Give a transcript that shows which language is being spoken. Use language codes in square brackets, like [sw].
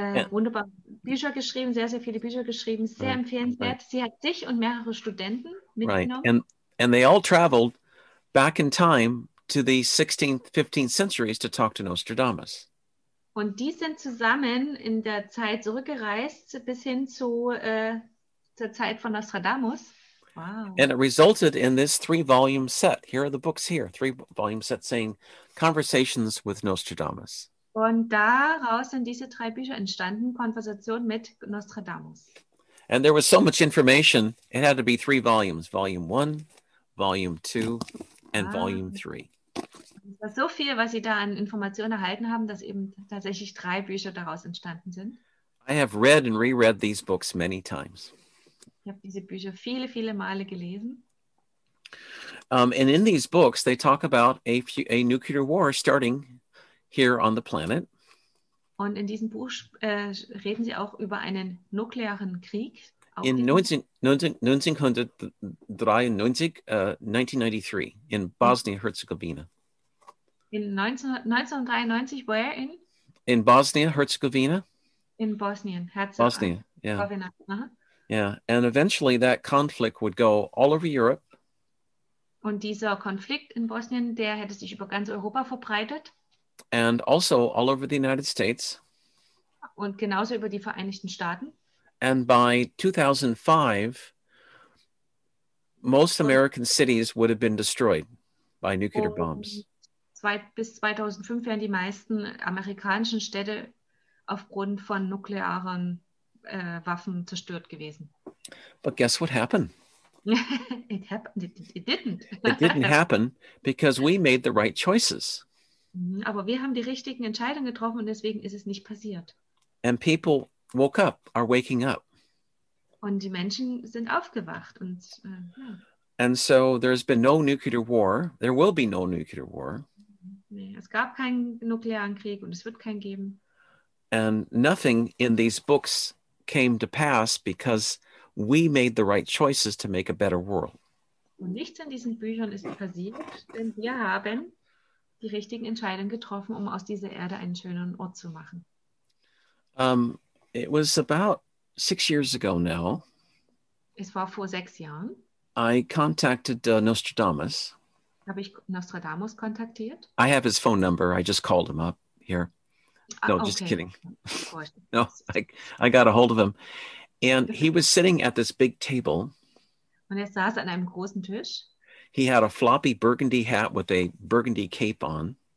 [de] Wunderbar Bücher geschrieben, sehr, sehr viele Bücher geschrieben, sehr empfehlenswert. Sie hat sich und mehrere Studenten mitgenommen. [en] Right. And they all traveled back in time to the 16th, 15th centuries to talk to Nostradamus. [de] Und die sind zusammen in der Zeit zurückgereist bis hin zu zur Zeit von Nostradamus. [en] Wow. And it resulted in this three-volume set. Here are the books here, three-volume set saying Conversations with Nostradamus. [de] Und daraus sind diese drei Bücher entstanden, Konversation mit Nostradamus. [en] And there was so much information, it had to be three volumes, volume one, volume two, and volume three. [de] Es war so viel, was Sie da an Informationen erhalten haben, dass eben tatsächlich drei Bücher daraus entstanden sind. [en] I have read and reread these books many times. [de] Ich habe diese Bücher viele, viele Male gelesen. [en] And in these books, they talk about a nuclear war starting here on the planet. [de] Und in diesem Buch reden sie auch über einen nuklearen Krieg. [en] In 1993 in Bosnia-Herzegovina. In 1993, where in? In Bosnia-Herzegovina. [de] In Bosnien-Herzegovina. [en] Bosnia, yeah. Yeah, and eventually that conflict would go all over Europe. [de] Und dieser Konflikt in Bosnien, der hätte sich über ganz Europa verbreitet. [en] And also all over the United States. [de] Und genauso über die Vereinigten Staaten. [en] And by 2005, most American cities would have been destroyed by nuclear bombs. [de] Bis 2005 wären die meisten amerikanischen Städte aufgrund von nuklearen Waffen zerstört gewesen. [en] But guess what happened? It happened. It didn't. It didn't happen because we made the right choices. [de] Aber wir haben die richtigen Entscheidungen getroffen und deswegen ist es nicht passiert. [en] And people woke up, are waking up. [de] Und die Menschen sind aufgewacht und [en] And so there's been no nuclear war. There will be no nuclear war. [de] Nee, es gab keinen nuklearen Krieg und es wird keinen geben. [en] And nothing in these books came to pass because we made the right choices to make a better world. [de] Und nichts in diesen Büchern ist passiert, denn wir haben die richtigen Entscheidungen getroffen, um aus dieser Erde einen schönen Ort zu machen. [en] It was about 6 years ago now. [de] Es war vor 6 Jahren. [en] I contacted Nostradamus. [de] Habe ich Nostradamus kontaktiert? [en] I have his phone number. I just called him up here. No, okay. Just kidding. No, I got a hold of him. And he was sitting at this big table. [de] Und er saß an einem großen Tisch. [en] He had a floppy burgundy hat with a burgundy cape on.